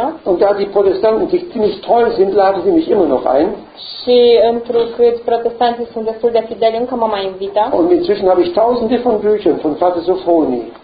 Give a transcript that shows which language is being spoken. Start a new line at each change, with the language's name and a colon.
German: Und da die Protestanten sich ziemlich treu sind, laden sie mich immer noch ein.
Romanian: Și întrucât protestanții sunt destul de fideli, încă mă mai invită.
German: Und inzwischen habe ich tausende von Büchern von Vater Sofroni.